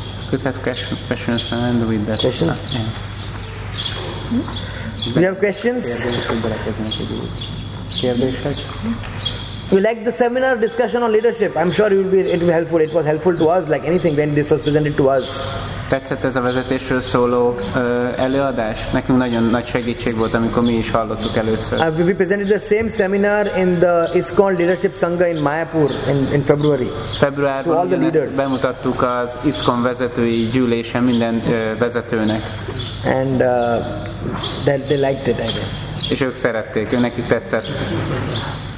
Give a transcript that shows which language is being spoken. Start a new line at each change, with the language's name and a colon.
English: Could have questions and end with that. Questions? Yeah. You have questions? You like the seminar discussion on leadership? I'm sure it will be helpful. It was helpful to us, like anything when this was presented to us.
Hungarian: Tetszett ez a vezetésről szóló előadás? Nekünk nagyon nagy segítség volt, amikor mi is hallottuk először.
English: We presented the same seminar in the ISKCON Leadership Sangha in Mayapur in February.
Hungarian: Februárban ugyanezt bemutattuk az ISKCON vezetői gyűlésen minden vezetőnek.
English: And they liked it, I guess.
Hungarian: És ők szerették, őnek tetszett.